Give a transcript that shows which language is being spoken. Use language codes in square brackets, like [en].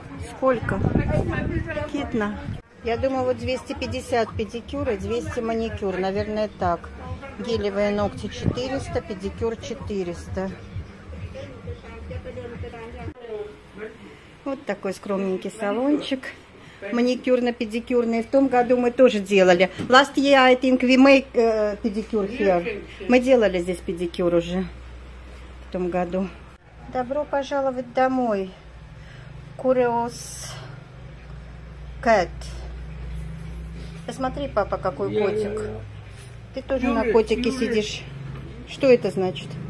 [ru] Сколько? Китна. Я думаю, вот 250 педикюр и 200 маникюр. Наверное, так. Гелевые ногти 400, педикюр 400. Вот такой скромненький салончик. Маникюрно-педикюрный. В том году мы тоже делали. [en] Last year, I think we made pedicure here. [ru] Мы делали здесь педикюр уже в том году. Добро пожаловать домой. [en] Curious cat. [ru] Посмотри, папа, какой котик. Ты тоже на котике сидишь. Что это значит?